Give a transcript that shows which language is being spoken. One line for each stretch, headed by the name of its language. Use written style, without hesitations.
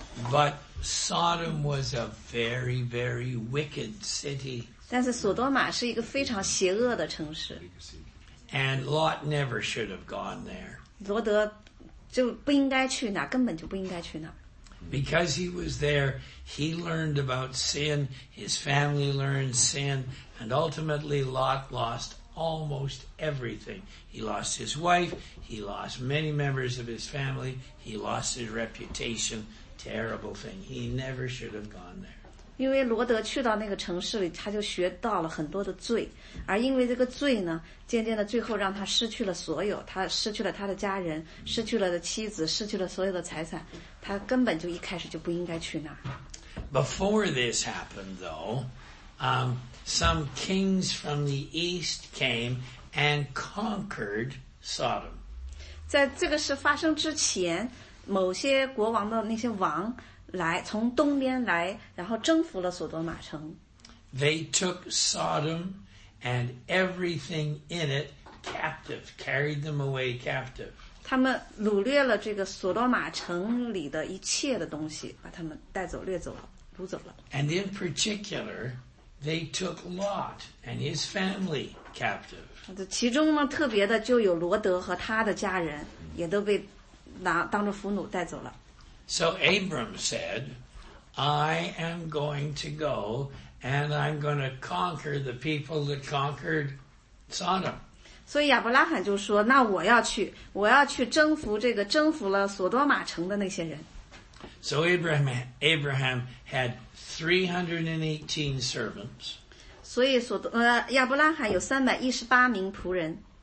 English: But Sodom was a very, very wicked city.
Chinese: 但是索多玛是一个非常邪恶的城市。
English: And Lot never should have gone there.
Chinese: 罗德就不应该去那，根本就不应该去那。
English: Because he was there, he learned about sin, his family learned sin, and ultimately Lot lost almost everything. He lost his wife, he lost many members of his family, he lost his reputation, terrible thing. He never should have gone there.
Chinese: 因为罗德去到那个城市里，他就学到了很多的罪，而因为这个罪呢，渐渐的最后让他失去了所有，他失去了他的家人，失去了的妻子，失去了所有的财产，他根本就一开始就不应该去那儿。
English: Before this happened, though, some kings from the east came and conquered Sodom.
Chinese: 在这个事发生之前，某些国王的那些王。来从东边来然后征服了索多玛城
English: They took Sodom and everything in it captive carried them away captive
Chinese: 他们掳掠了这个索多玛城里的一切的东西把他们带走掠走了掳走了
English: And in particular they took Lot and his family captive
Chinese: 其中呢特别的就有罗德和他的家人也都被拿当着俘虏带走了
English: So Abram said, I am going to go and I'm going to conquer the people that conquered Sodom.
Chinese: 所以亚伯拉罕就说那我要去征服这个征服了索多玛城的那些人。
English: So Abraham had 318 servants.
Chinese: 所以亚伯拉罕有318名仆人。